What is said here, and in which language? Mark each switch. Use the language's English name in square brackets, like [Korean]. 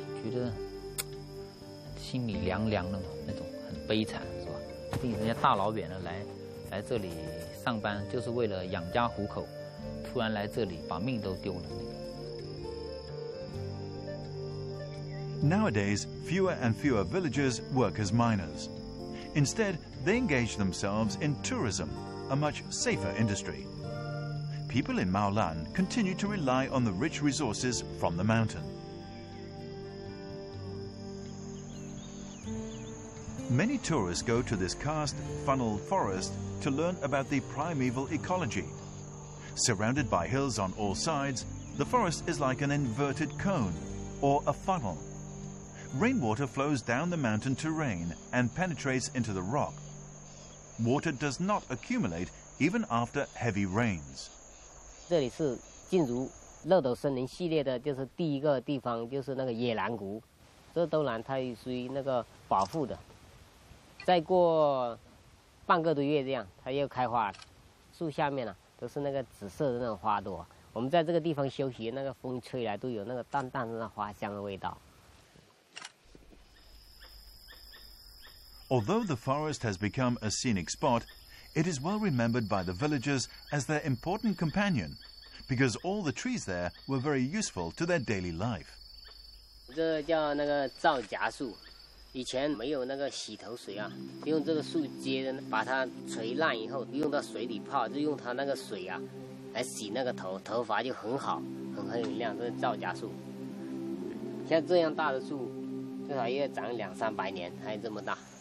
[Chinese] 觉得心里凉凉的嘛，那种很悲惨，是吧？毕竟人家大老远的来这里上班，就是为了养家糊口，突然来这里把命都丢了。 [English] Nowadays, fewer and fewer villagers work as miners. Instead, they engage themselves in tourism, a much safer industry. People in Mao Lan continue to rely on the rich resources from the mountain. Many tourists go to this karst funnel forest to learn about the primeval ecology. Surrounded by hills on all sides, the forest is like an inverted cone or a funnel. Rainwater flows down the mountain terrain and penetrates into the rock. Water does not accumulate even after heavy rains. Here is the Lodo Sunning series, the first place is the Yelangu. This is the one that is the protected. [Chinese] 再过半个多月，这样它又开花了。树下面呢、啊，都是那个紫色的那种花朵。我们在这个地方休息，那个风吹来都有那个淡淡的花香的味道。 [English] Although the forest has become a scenic spot, it is well remembered by the villagers as their important companion, because all the trees there were very useful to their daily life. [Chinese] 这叫那个皂荚树。以前没有那个洗头水啊，用这个树接的，把它吹烂以后用到水里泡，就用它那个水啊来洗那个头，头发就很好，很有亮。这是皂荚树，像这样大的树至少也长200-300年，还有这么大。